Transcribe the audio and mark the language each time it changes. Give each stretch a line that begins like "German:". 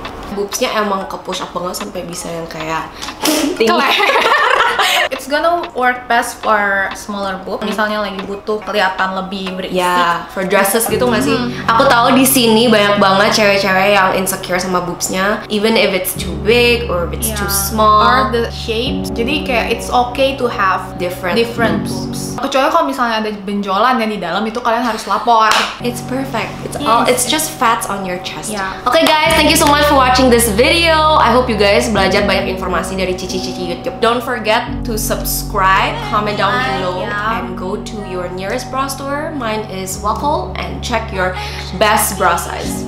Indonesian: Boobsnya emang ke push up banget sampai bisa yang kayak tinggi.
English: It's gonna work best for smaller boobs.
Indonesian: Misalnya lagi butuh kelihatan lebih berisi.
English: Yeah, for dresses
Indonesian: gitu nggak sih? Aku tahu di sini banyak banget cewek-cewek yang insecure sama boobsnya.
English: Even if it's too big or if it's too small. Or the shape.
Indonesian: Jadi kayak
English: it's okay to have different boobs.
Indonesian: Kecuali kalau misalnya ada benjolan yang di dalam itu kalian harus lapor.
English: It's perfect. It's just fats on your chest. Yeah. Okay guys, thank you so much for watching this video. I hope you guys
Indonesian: belajar banyak informasi dari Cici YouTube.
English: Don't forget to subscribe, comment down below, and go to your nearest bra store. Mine is Wacol, and check your best bra size